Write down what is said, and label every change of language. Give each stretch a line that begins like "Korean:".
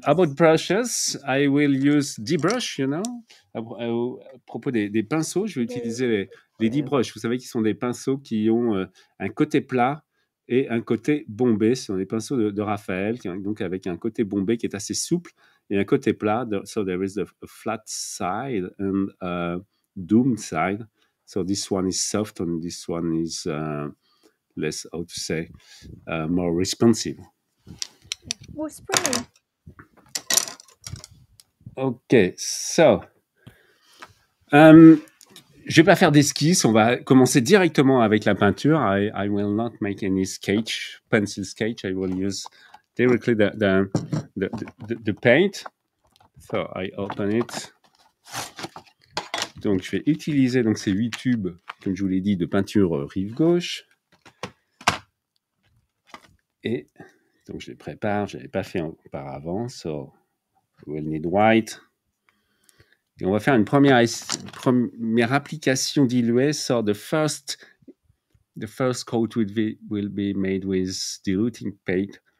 English: About brushes, I will use D-brush, you know.
French: À propos des pinceaux, je vais utiliser les D-brush. Vous savez qu'ils sont des pinceaux qui ont un côté plat et un côté bombé. Ce sont des pinceaux de Raphaël, donc avec un côté bombé qui est assez souple et un côté plat.
English: So there is a flat side and a domed side. So this one is soft and this one is less, how to say, more responsive. More springy.
French: Okay, so je vais pas faire d'esquisse, on va commencer directement avec la peinture.
English: I will not make any sketch, pencil sketch. I will use directly the paint. So I open it.
French: Donc je vais utiliser donc ces 8 tubes, comme je vous l'ai dit, de peinture rive gauche. Et donc je les prépare, je l'avais pas fait auparavant,
English: so we'll need white.
French: Et on va faire une première application diluée.
English: So the first coat will be made with diluting paint.